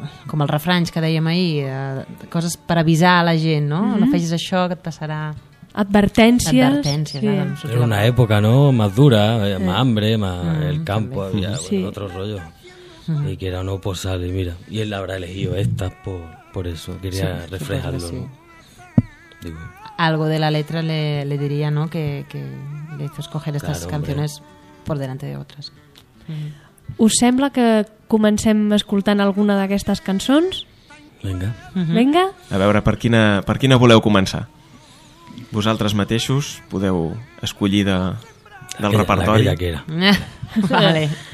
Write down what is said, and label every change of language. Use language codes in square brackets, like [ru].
[ca] Com els refranys que dèiem ahir, coses per avisar a la gent, no? No facis això que et passarà... Advertències. Sí. Era una època, no? [es] Más dura, más hambre, más el campo, había otro rollo. Y quiera o no, pues sale, mira. Y él habrá elegido estas por eso. Quería sí, reflejarlo, sí. ¿No? Digo. Algo de la letra le diría, ¿no? Que le hizo escoger estas claro, canciones hombre. Por delante de otras. [ca] ¿Us sembla que comencem escoltant alguna d'aquestes cançons? [es] Venga. Venga. [ca] A veure, per quina voleu començar? Vosaltres mateixos podeu escollir del repertori. [es] La que era. Vale.